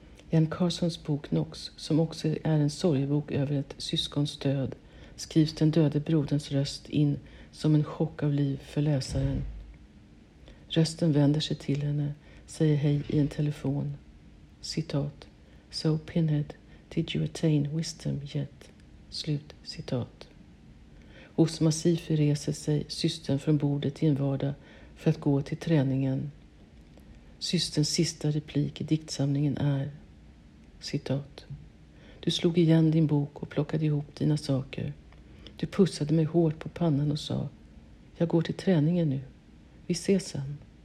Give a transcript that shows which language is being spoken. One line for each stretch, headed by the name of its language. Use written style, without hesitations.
Swedish: Jan Carsons bok Nox, som också är en sorgebok över ett syskons död, skrivs den döde broderns röst in som en chock av liv för läsaren. Rösten vänder sig till henne, säger hej i en telefon. Citat.
English: So Pinhead, did you attain wisdom yet?
Swedish: Slut citat. Hos Masifi reser sig systern från bordet i en vardag för att gå till träningen. Systerns sista replik i diktsamlingen är. Citat. Du slog igen din bok och plockade ihop dina saker. Du pussade mig hårt på pannan och sa: jag går till träningen nu. Vi ses sen.